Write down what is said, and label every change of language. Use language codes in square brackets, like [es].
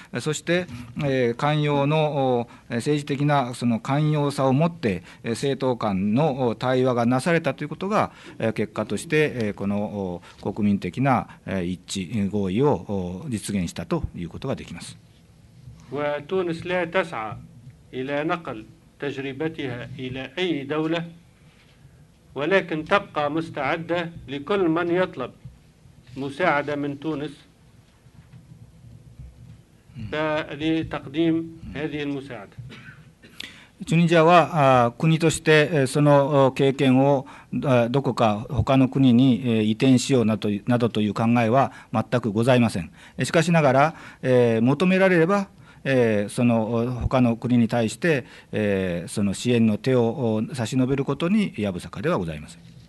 [ja] そして、寛容の政治的なその寛容さを持って、政党間の対話がなされたということが、結果として、この国民的な一致合意を実現したということができます。 [ar] وتونس لا تسعى إلى نقل تجربتها إلى أي دولة، ولكن تبقى مستعدة لكل من يطلب مساعدة من تونس لتقديم هذه المساعدة. [ja] チュニジアは国としてその経験をどこか他の国に移転しようなどという考えは全くございません。しかしながら求められればその他の国に対してその支援の手を差し伸べることにやぶさかではございません。